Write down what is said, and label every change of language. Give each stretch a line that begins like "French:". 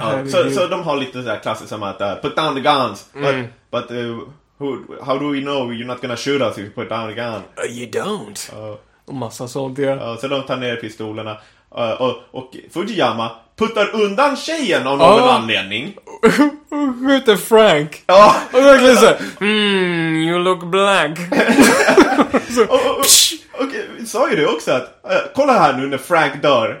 Swedish: So de har lite så här klassiskt som att
English: put down the guns. But how do we know you're not gonna shoot us if you put down the gun? You don't.
Swedish: Massa sånt där. Så de tar ner pistolerna. Och Fujiyama puttar undan tjejen av någon anledning. Skjuter Frank. Och jag kan säga,
English: you look black.
Swedish: Sa ju det också att kolla här nu när Frank dör.